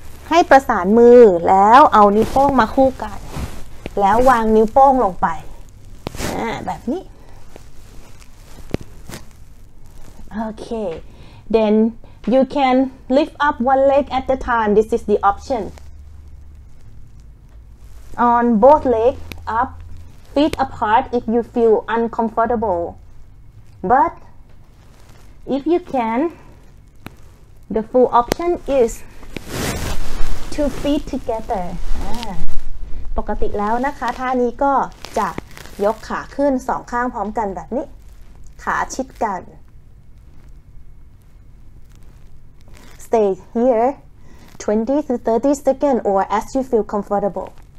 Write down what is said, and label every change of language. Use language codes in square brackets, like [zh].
[th] ให้ประสานมือแล้วเอานิ้วโป้งมาคู่กันแล้ววางนิ้วโป้งลงไปแบบนี้ [en] Okay thenYou can lift up one leg at a time. This is the option. On both legs, up, feet apart if you feel uncomfortable. But if you can, the full option is two feet together. [th] ปกติแล้วนะคะท่านี้ก็จะยกขาขึ้นสองข้างพร้อมกันแบบนี้ขาชิดกัน [en] Stay here 20 to 30 seconds or as you feel comfortable.